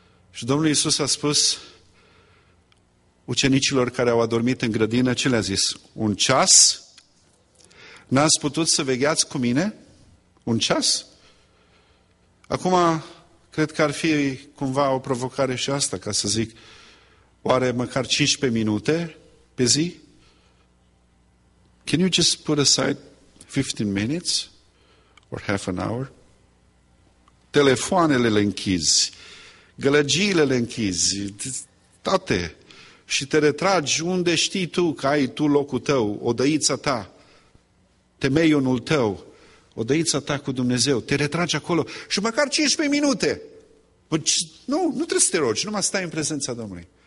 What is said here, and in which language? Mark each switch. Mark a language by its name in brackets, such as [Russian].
[Romanian] Și Domnul Iisus a spus ucenicilor care au adormit în grădină, ce le-a zis? Un ceas? N-ați putut să vegheați cu mine? Un ceas? Acum, cred că ar fi cumva o provocare și asta, ca să zic, oare măcar 15 minute pe zi? [English] Can you just put aside 15 minutes or half an hour? [Romanian] Telefoanele le închizi, gălăgiile le închizi, toate. Și te retragi unde știi tu că ai tu locul tău, odăița ta, temeionul tău, odăița ta cu Dumnezeu. Te retragi acolo și măcar 15 minute. Nu trebuie să te rogi, numai stai în prezența Domnului.